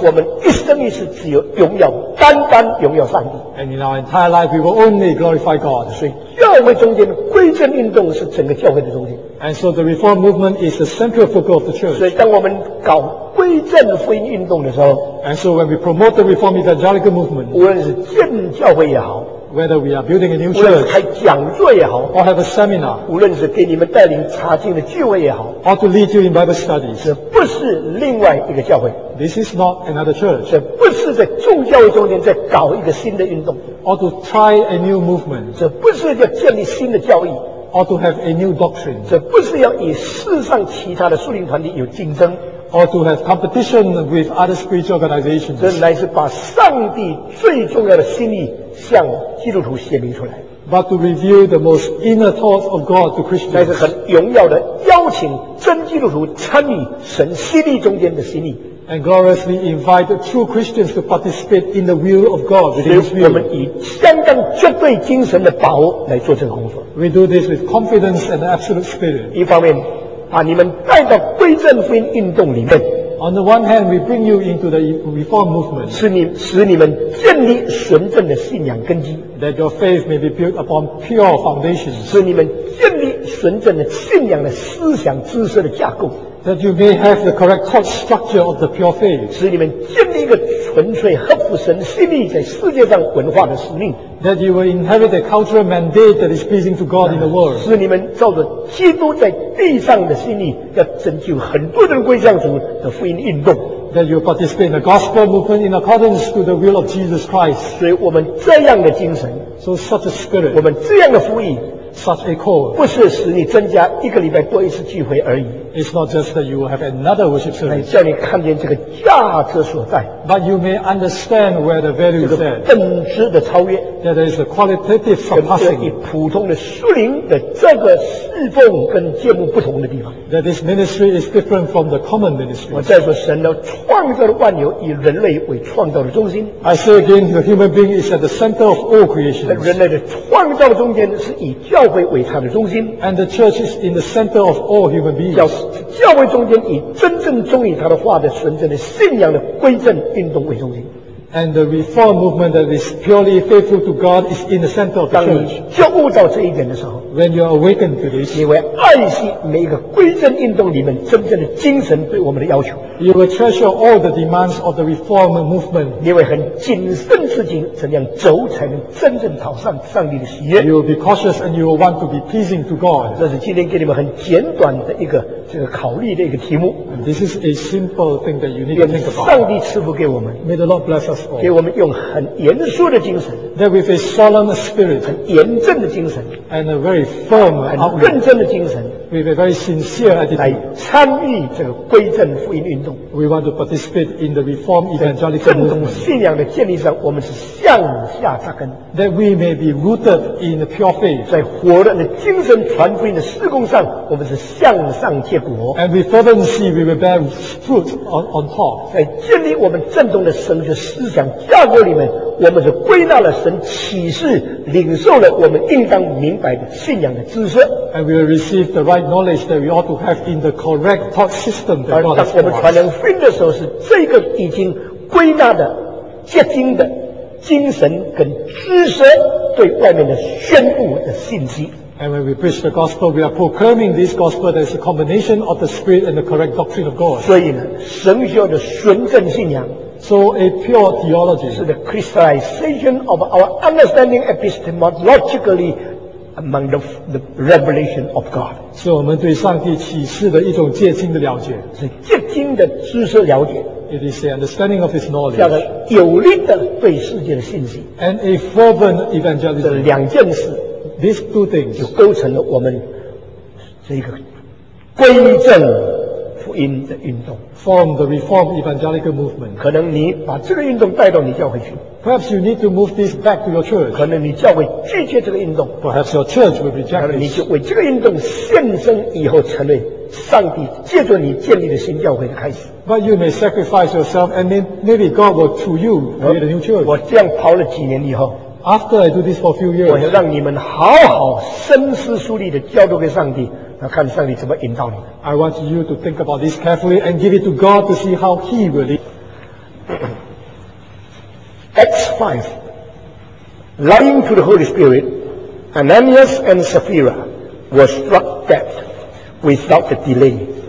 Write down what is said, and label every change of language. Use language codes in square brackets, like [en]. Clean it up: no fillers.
[zh] 那我们一生一世只有荣耀，单单荣耀上帝。 [en] And in our entire life, we will only glorify God. [zh] 所以教会中间归正运动是整个教会的中心。 [en] And so the Reform Movement is the central focus of the church. [zh] 所以当我们搞归正福音运动的时候 [en] ，And so when we promote the Reform Evangelical Movement, [zh] 无论是建教会也好。 [en] Whether we are building a new church, [zh] 无论是开讲座也好 [en] ，or have a seminar, [zh] 无论是给你们带领查经的聚会也好 [en] ，or to lead you in Bible studies, [zh] 这不是另外一个教会 [en] ，this is not another church, [zh] 这不是在众教会中间在搞一个新的运动 [en] ，or to try a new movement, [zh] 这不是要建立新的教义 [en] ，or to have a new doctrine, [zh] 这不是要与世上其他的属灵团体有竞争。 [en] Or to have competition with other spiritual organizations. [zh] 这乃是把上帝最重要的心意向基督徒显明出来。 [en] But to reveal the most inner thoughts of God to Christians. [zh] 乃是很荣耀的邀请真基督徒参与神心意中间的心意。 [en] And gloriously invite true Christians to participate in the will of God within His will. [zh] 我们以相当绝对精神的把握来做这个工作。 [en] We do this with confidence and absolute spirit. [zh] 一方面。把你们带到归正福音运动里面。 [en] On the one hand, we bring you into the reform movement. [zh] 使你们建立纯正的信仰根基。 [en] That your faith may be built upon pure foundations. [zh] 使你们建立纯正的信仰的思想知识的架构。 [en] That you may have the correct thought structure of the pure faith. [zh] 使你们建立一个纯粹合乎神心意在世界上文化的使命。 [en] That you will inherit a cultural mandate that is pleasing to God in the world. [zh] 使你们照着基督在地上的心意，要拯救很多人归向主的福音运动。 [en] That you participate in the gospel movement in accordance to the will of Jesus Christ. [zh] 所以我们这样的精神 [en] ，so such a spirit， [zh] 我们这样的福音。 [en] such a call. [zh] 不是使你增加一个礼拜多一次聚会而已。 [en] It's not just that you have another worship service. [zh] 叫你看见这个价值所在。 [en] But you may understand where the value is at. [zh] 这个本质的超越。 [en] That is a qualitative surpassing. [zh] 跟普通的属灵的这个侍奉跟节目不同的地方。 [en] That this ministry is different from the common ministry. [zh] 我再说，神的创造的万有以人类为创造的中心。 [en] I say again, the human being is at the center of all creation. [zh] 人类的创造中间是以教会为它的中心。 [en] And the church is in the center of all human beings. [zh] 教会中间以真正忠于他的话的纯正的信仰的归正运动为中心。 [en] And the reform movement that is purely faithful to God is in the center of the church. [zh] 当你觉悟到这一点的时候， [en] When you are awakened to this, [zh] 你会爱惜每一个归正运动里面真正的精神对我们的要求。 [en] You will treasure all the demands of the reform movement. [zh] 你会很谨慎自己怎样走才能真正讨上帝的喜悦。 [en] You will be cautious and you will want to be pleasing to God. [zh] 这是今天给你们很简短的一个这个考虑的一个题目。 [en] And this is a simple thing that you need to think about. [zh] 上帝赐福给我们。 [en] May the Lord bless us. [zh] 给我们用很严肃的精神， [en] that with a solemn spirit, [zh] 很严正的精神， [en] and a very firm, [zh] 很认真的精神， [en] with a very sincere attitude, [zh] 来参与这个归正福音运动。 [en] We want to participate in the reform evangelical movement. [zh] 正统信仰的建立上，我们是向下扎根， [en] that we may be rooted in the pure faith. [zh] 在活人的精神传福音的施工上，我们是向上结果， [en] and with fervency we will bear fruit on top. [zh] 在建立我们正统的神学思想架构里面，我们是归纳了神启示，领受了我们应当明白的信仰的知识。 [en] And we will receive the right knowledge that we ought to have in the correct thought system. [zh] 而当我们传扬福音的时候，是这个已经归纳的、结晶的精神跟知识对外面的宣布的信息。 [en] And when we preach the gospel, we are proclaiming this gospel that is a combination of the spirit and the correct doctrine of God. [zh] 所以呢，神学的纯正信仰。 [en] So a pure theology is the crystallization of our understanding epistemologically among the revelation of God. [zh] 是我们对上帝启示的一种结晶的了解，是结晶的知识了解。 [en] It is the understanding of his knowledge. [zh] 叫做有力的对世界的信心。 [en] And a fervent evangelism. [zh] 这两件事。 [en] These two things. [zh] 就构成了我们这个归正福音的运动。 [en] Form the reform evangelical movement. [zh] 可能你把这个运动带到你教会去。 [en] Perhaps you need to move this back to your church. [zh] 可能你教会拒绝这个运动。 [en] Perhaps your church will reject this. [zh] 你就为这个运动献身，以后成为上帝借助你建立的新教会的开始。 [en] But you may sacrifice yourself, and then maybe God will through you create a new church. [zh] 我这样跑了几年以后。 [en] After I do this for a few years, [zh] 我要让你们好好深思熟虑的交托给上帝。那看上帝怎么引导你。 [en] I want you to think about this carefully and give it to God to see how He will lead. Acts 5. Lying to the Holy Spirit, Ananias and Sapphira were struck dead without a delay.